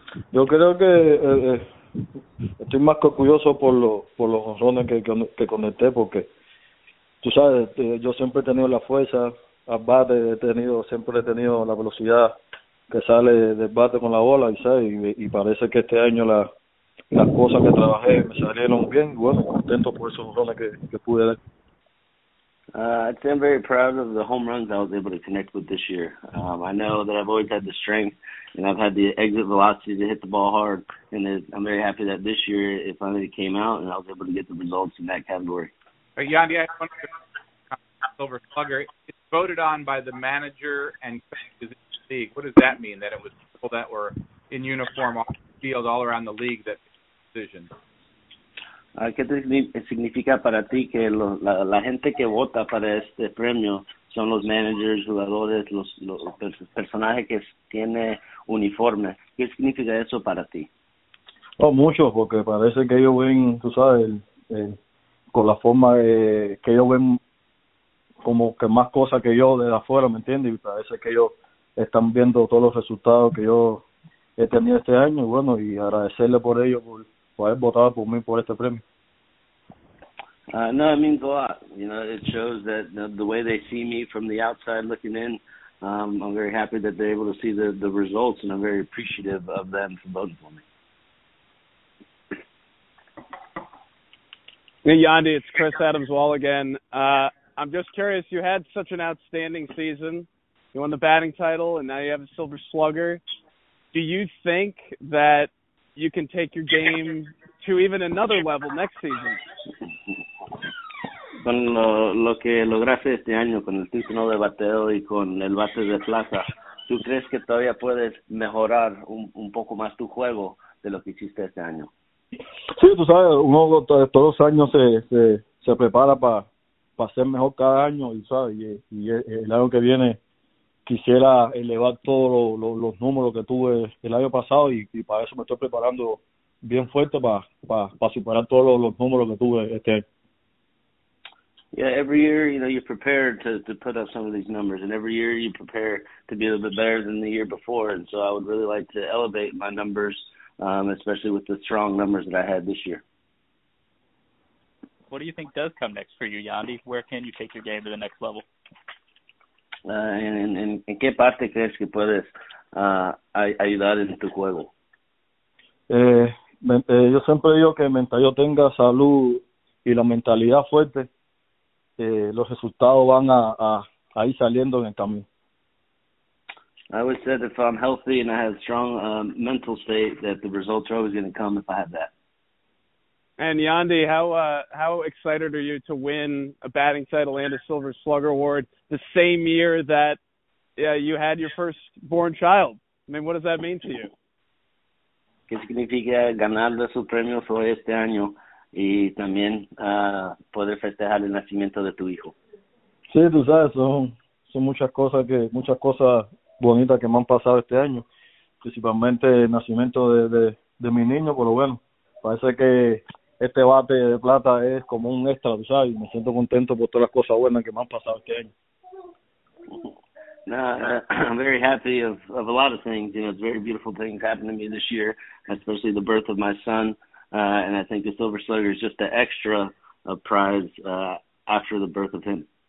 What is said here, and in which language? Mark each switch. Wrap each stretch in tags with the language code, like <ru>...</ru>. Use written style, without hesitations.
<es>Yo creo que estoy más que orgulloso por los home runs que conecté, porque tú sabes, yo siempre he tenido la fuerza. Al bate siempre he tenido la velocidad que sale del bate con la bola, y parece que este año las cosas que trabajé me salieron bien, y bueno, contento por esos jonrones que pude dar.</es> <en>I'm very proud of the home runs I was able to connect with this year. I know that I've always had the strength, and I've had the exit velocity to hit the ball hard, and I'm very happy that this year it finally came out, and I was able to get the results in that category. Hey, Yandy, I have one silver slugger. It's voted on by the manager and coaches in the league. What does that mean, that it was people that were in uniform off the field all around the league that made the decision?</en> <es>¿Qué significa para ti que la gente que vota para este premio son los managers, jugadores, los personajes que tiene uniforme? ¿Qué significa eso para ti? Oh, mucho, porque parece que ellos ven, tú sabes, con la forma que ellos ven como que más cosas que yo de afuera, ¿me entiendes? Y parece que ellos están viendo todos los resultados que yo he tenido este año, y bueno, y agradecerle por ello, por haber votado por mí por este premio.</es> <en>No, it means a lot. You know, it shows that the way they see me from the outside looking in, I'm very happy that they're able to see the results, and I'm very appreciative of them for voting for me. Hey, Yandy, it's Chris Adams-Wall again. I'm just curious, you had such an outstanding season. You won the batting title, and now you have a silver slugger. Do you think that you can take your game to even another level next season?</en> <es>Con lo que lograste este año, con el título de bateo y con el bate de plata, ¿tú crees que todavía puedes mejorar un poco más tu juego de lo que hiciste este año? Sí, tú sabes, uno todos los años se prepara para ser mejor cada año, y sabes, y el año que viene quisiera elevar todos los números que tuve el año pasado, y para eso me estoy preparando bien fuerte para superar todos los números que tuve este año.</es> <en>Yeah, every year, you know, you prepare to put up some of these numbers, and every year you prepare to be a little bit better than the year before, and so I would really like to elevate my numbers, especially with the strong numbers that I had this year. What do you think does come next for you, Yandy? Where can you take your game to the next level?</en> <es>¿En qué parte crees que puedes ayudar en tu juego? Yo siempre digo que mientras yo tenga salud y la mentalidad fuerte, los resultados van a ir saliendo en el camino.</es> <en>I always said if I'm healthy and I have a strong mental state, that the results are always going to come if I have that. And Yandy, how excited are you to win a batting title and a Silver Slugger Award the same year that you had your first born child? I mean, what does that mean to you?</en> <es>¿Qué significa ganar de su premio hoy este año y también poder festejar el nacimiento de tu hijo? Sí, tú sabes, son muchas cosas bonitas que me han pasado este año, principalmente el nacimiento de mi niño, pero bueno, parece que este bate de plata es como un extra, ¿sabes? Y me siento contento por todas las cosas buenas que me han pasado este año.</es> <en>No, I'm very happy of a lot of things. You know, it's very beautiful things happened to me this year, especially the birth of my son. And I think the Silver Slugger is just the extra prize after the birth of him.</en>